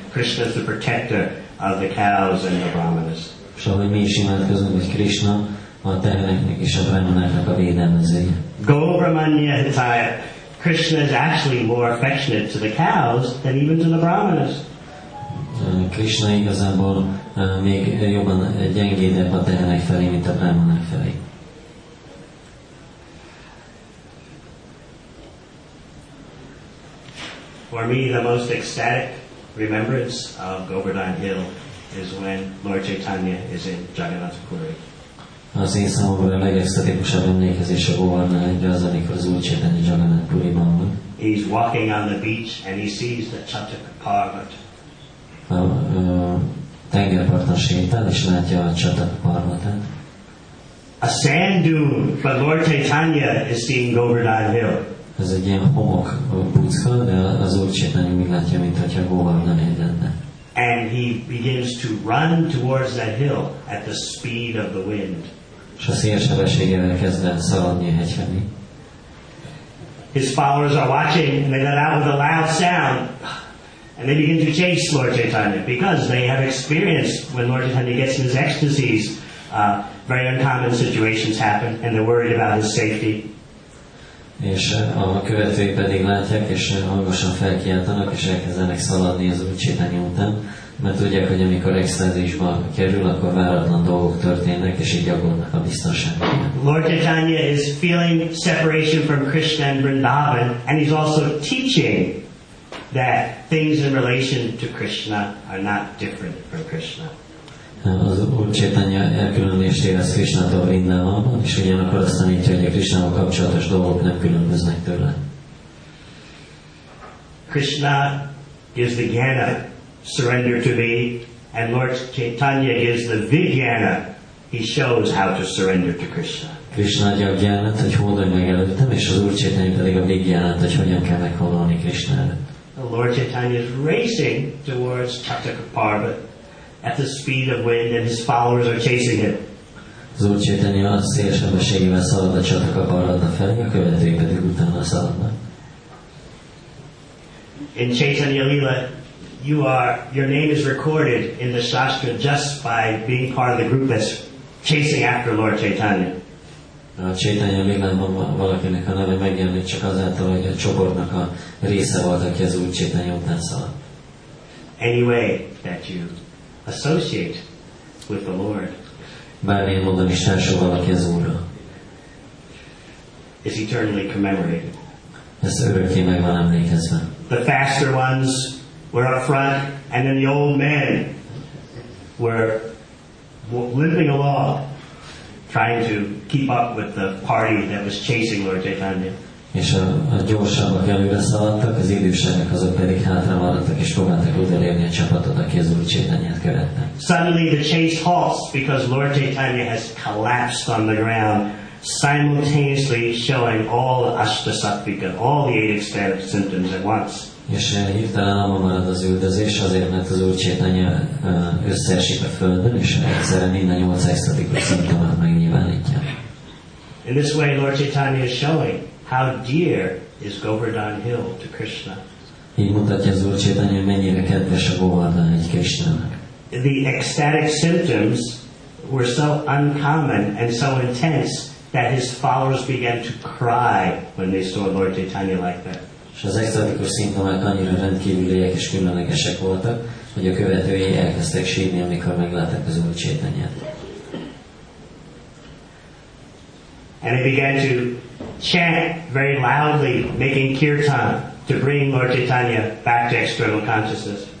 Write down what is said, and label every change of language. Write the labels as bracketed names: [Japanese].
[English] Krishna is the protector of the cows and the Brahmanas. [Hungarian] És ahogy mi is imádkozunk, hogy Krishna a teheneknek és a Brahmanáknak a védelmezője. [Sanskrit] Go Brahmanya Hitayaja. [English] Krishna is actually more affectionate to the cows than even to the Brahmanas. [Hungarian] Krishna igazából még jobban gyengédebb a tehenek felé, mint a brahmanák felé. [English] For me, the most ecstatic remembrance of Govardhan Hill is when Lord Chaitanya is in Jagannath Puri. [Hungarian] Az én számomra a legesztetikusabb emlékezés a Govardhan Hill, az, amikor az Úr Chaitanya Jagannath Puriban van. [English] He's walking on the beach and he sees the Chatakparvat. [Hungarian] A tengerparton sétál, és látja a Chatakparvatát. [English] A sand dune, but Lord Chaitanya is seeing Govardhan Hill. [Hungarian] Ez egy ilyen homok bucka, de az Úr Chaitanya úgy látja, mintha Govardhan Hill lenne. [English] And he begins to run towards that hill at the speed of the wind. [Hungarian] És a szélsebességével kezd el szaladni a hegy felé. [English] His followers are watching, and they let out with a loud sound. And they begin to chase Lord Chaitanya because they have experienced when Lord Chaitanya gets in his ecstasies, very uncommon situations happen, and they're worried about his safety. [Hungarian] És a követői pedig látják, és hangosan felkiáltanak, és elkezdenek szaladni az Úr Chaitanya után, mert tudják, hogy amikor extázisba kerül, akkor váratlan dolgok történnek, és így aggódnak a biztonságban. [English] Lord Chaitanya is feeling separation from Krishna and Vrindavan, and he's also teaching that things in relation to Krishna are not different from Krishna. [Hungarian] Az Úr Chaitanya elkülönülést érez Krishnától Vrindavanban, és ugyanakkor azt tanítja, hogy a Krishnával kapcsolatos dolgok nem különböznek tőle. [English] Krishna gives the jnana, surrender to me, and Lord Chaitanya gives the vijnana, he shows how to surrender to Krishna. [Hungarian] Krishna adja a jnanát, hogy hódolj meg előttem, és az Úr Chaitanya pedig a vijnanát, hogy hogyan kell meghódolni Krishna előtt. [English] Lord Chaitanya is racing towards Chatakparvat at the speed of wind, and his followers are chasing him. [Hungarian] Az Úr Chaitanya a szélsebességével szalad a Chatakparvat felé, a követői pedig utána szaladnak. [English] In Chaitanya Lila, your name is recorded in the Shastra just by being part of the group that's chasing after Lord Chaitanya. [Hungarian] A Chaitanya Lilában valakinek a neve megjelenik csak azáltal, hogy a csoportnak a része volt, aki az Úr Chaitanya után szaladt. [English] Any way that you associate with the Lord. [Hungarian] Bármilyen módon is társul valaki az Úrra. [English] Is eternally commemorated. [Hungarian] Ez örökké meg van emlékezve. [English] The faster ones were up front, and then the old men were limping along, trying to keep up with the party that was chasing Lord Chaitanya. [Hungarian] És a gyorsabbak előre szaladtak, az idősebbek azok pedig hátra maradtak, és próbáltak odaérni a csapatot, aki az Úr Chaitanyát követte. [English] Suddenly the chase halts because Lord Chaitanya has collapsed on the ground, simultaneously showing all the ashtasattvika, all the eight ecstatic symptoms at once. [Hungarian] És hirtelen abban marad az üldözés, azért, mert az Úr Chaitanya összeesik a földön, és egyszerre minden nyolc extatikus szintomát megnyilvánítja. [English] In this way, Lord Chaitanya is showing how dear is Govardhan Hill to Krishna. [Hungarian] Így mutatja az Úr Chaitanya, mennyire kedves a Govardhan egy Krishnának. [English] The ecstatic symptoms were so uncommon and so intense that his followers began to cry when they saw Lord Chaitanya like that. [Hungarian] És az extatikus szimptomák annyira rendkívüliek és különlegesek voltak, hogy a követői elkezdtek sírni, amikor meglátták az Úr Chaitanyát. [English] And he began to chant very loudly, making kirtan to bring Lord Chaitanya back to external consciousness.